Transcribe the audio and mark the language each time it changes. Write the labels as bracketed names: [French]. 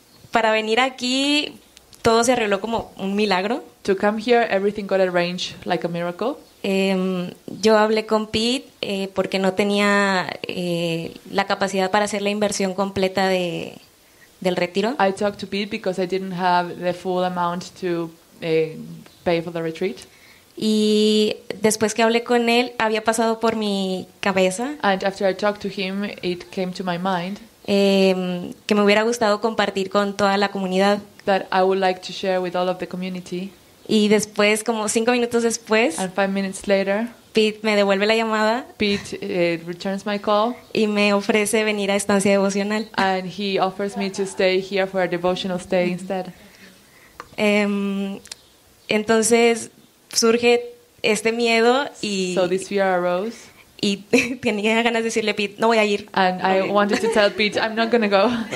[Spanish] Para venir aquí todo se arregló como un milagro. [English] To come here, everything got arranged like a miracle. [Spanish] Yo hablé con Pete porque no tenía la capacidad para hacer la inversión completa del retiro. [English] I talked to Pete because I didn't have the full amount to pay for the retreat. [Spanish] Y después que hablé con él, había pasado por mi cabeza. [English] And after I talked to him, it came to my mind. [Spanish] Que me hubiera gustado compartir con toda la comunidad. [English] That I would like to share with all of the community. [Spanish] Y después, como 5 minutos después, [English] and 5 minutes later, [Spanish] Pete me devuelve la llamada. [English] Pete returns my call. [Spanish] Y me ofrece venir a estancia devocional. [English] And he offers me to stay here for a devotional stay instead. [Spanish] Entonces surge este miedo y [English] so this fear arose. [Spanish] Y tenía ganas de decirle a Pete, no voy a ir. [English] And I wanted to tell Pete, I'm not going to go.